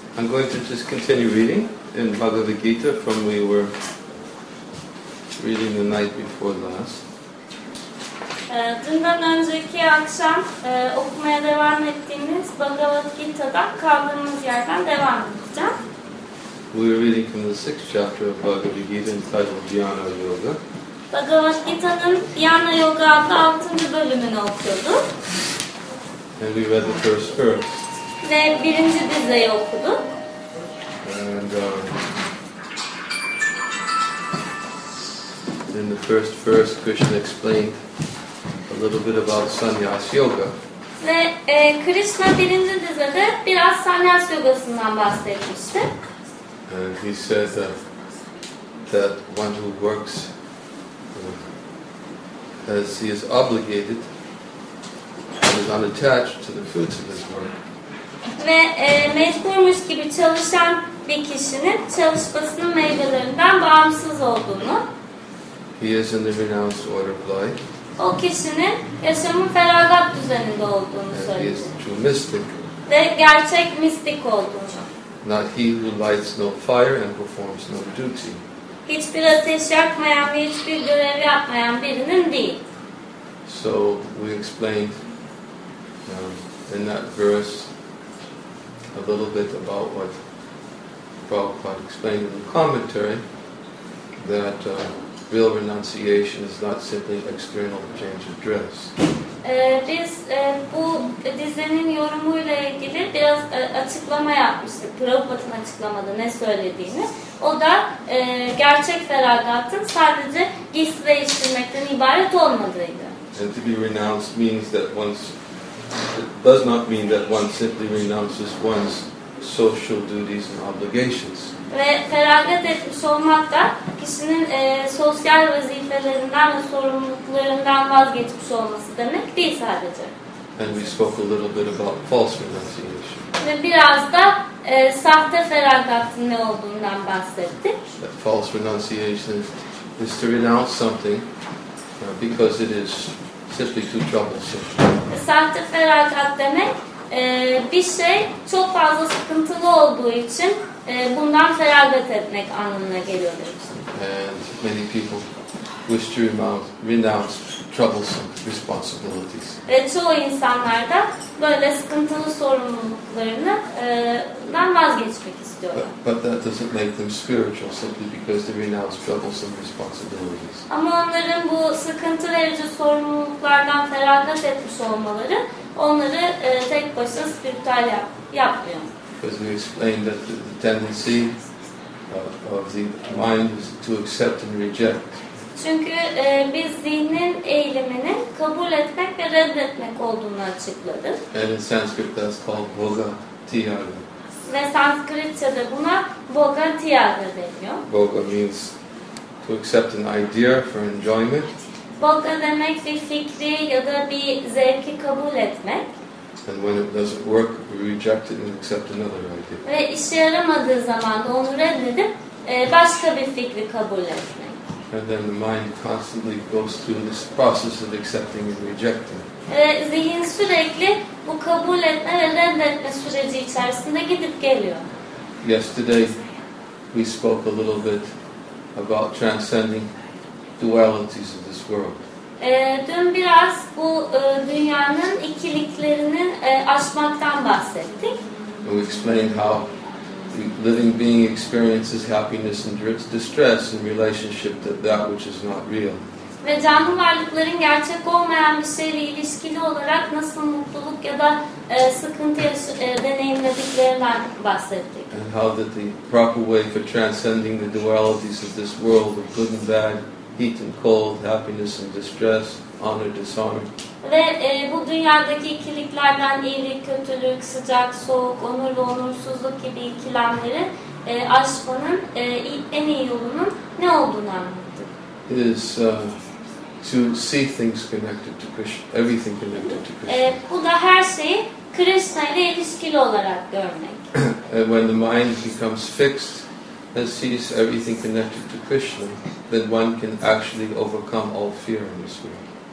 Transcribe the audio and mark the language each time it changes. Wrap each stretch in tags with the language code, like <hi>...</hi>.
<en>I'm going to just continue reading in Bhagavad Gita from we were reading the night before last.</en> <tr>Dünden önceki akşam okumaya devam ettiğimiz Bhagavad Gita'dan kaldığımız yerden devam edeceğim.</tr> <en>We were reading from the sixth chapter of Bhagavad Gita entitled Dhyana Yoga.</en> <tr>Bhagavad Gita'nın Dhyana Yoga adlı 6. bölümünü okuyorduk.</tr> <en>And we read the first verse.</en> <tr>Ve birinci dizeyi okuduk.</tr> <en>And in the first verse, Krishna explained a little bit about sannyas yoga.</en> <tr>Ve Krishna birinci dizede biraz sannyas yogasından bahsetmişti.</tr> <en>And he said that one who works as he is obligated and is unattached to the fruits of his work.</en> <tr>Ve mecburmuş gibi çalışan bir kişinin çalışmasının meyvelerinden bağımsız olduğunu.</tr> <en>He is in the renounced order of life.</en> <tr>O kişinin yaşamın feragat düzeninde olduğunu söylüyor.</tr> <en>He is true mystic.</en> <tr>Ve gerçek mistik olduğunu.</tr> <en>Not he who lights no fire and performs no duty.</en> <tr>Hiçbir ateş yakmayan ve hiçbir görev yapmayan birinin değil.</tr> <en>So we explained in that verse a little bit about what Prabhupada explained in the commentary, that real renunciation is not simply external change of dress.</en> <tr>Biz bu dizenin yorumuyla ilgili biraz açıklama yapmıştık. Prabhupada'nın açıklamada ne söylediğini. O da gerçek feragatın sadece giysi değiştirmekten ibaret olmadığıydı.</tr> <en>And to be renounced means that it does not mean that one simply renounces one's social duties and obligations.</en> <tr>Ve feragat etmiş olmak da kişinin sosyal vazifelerinden ve sorumluluklarından vazgeçmiş olması demek değil sadece.</tr> <en>And we spoke a little bit about false renunciation.</en> <tr>Ve biraz da sahte feragatın ne olduğundan bahsettik.</tr> <en>That false renunciation is to renounce something because it is simply too troublesome.</en> <tr>Sahte feragat demek bir şey çok fazla sıkıntılı olduğu için bundan feragat etmek anlamına geliyor demiştim.</tr> <en>And many people wish to renounce troublesome responsibilities.</en> <tr>Ve çoğu insanlar da böyle sıkıntılı sorumluluklarından vazgeçmek istiyorlar.</tr> <en>But that doesn't make them spiritual simply because they renounce troublesome responsibilities.</en> <tr>Ama onların bu sıkıntı verici sorumluluklardan feragat etmiş olmaları onları tek başına spiritual yapmıyor.</tr> <en>Because we explained that the tendency of the mind is to accept and reject.</en> <tr>Çünkü biz zihnin eğiliminin kabul etmek ve reddetmek olduğunu açıkladık.</tr> <en>And in Sanskrit that's called Bhoga Tyaga.</en> <tr>Ve Sanskritçe'de buna Bhoga Tyaga deniyor.</tr> <en>Bhoga means to accept an idea for enjoyment.</en> <tr>Bhoga demek bir fikri ya da bir zevki kabul etmek.</tr> <en>And when it doesn't work, we reject it and accept another idea.</en> <tr>Ve işe yaramadığı zaman da onu reddedip başka bir fikri kabul etmek.</tr> <en>And then the mind constantly goes through this process of accepting and rejecting.</en> <tr>Zihin sürekli bu kabul etme ve reddetme süreci içerisinde gidip geliyor.</tr> <en>Yesterday we spoke a little bit about transcending dualities of this world.</en> <tr>Dün biraz bu dünyanın ikiliklerini aşmaktan bahsettik.</tr> <en>And we explained how living being experiences happiness and distress in relationship to that which is not real.</en> <tr>Ve canlı varlıkların gerçek olmayan bir şeyle ilişkili olarak nasıl mutluluk ya da sıkıntı deneyimlediklerinden bahsettik.</tr> <en>And how that the proper way for transcending the dualities of this world of good and bad, heat and cold, happiness and distress, honor, dishonor.</en> <tr>Ve bu dünyadaki ikiliklerden iyilik, kötülük, sıcak, soğuk, onur ve onursuzluk gibi ikilemleri aşmanın en iyi yolunun ne olduğunu anlattı.</tr> <en>Is to see things connected to Krishna, everything connected to Krishna.</en> <tr>Bu da her şeyi Krishna ile ilişkili olarak görmek.</tr> <en>And when the mind becomes fixed and sees everything connected to Krishna, then one can actually overcome all fear in this world.</en>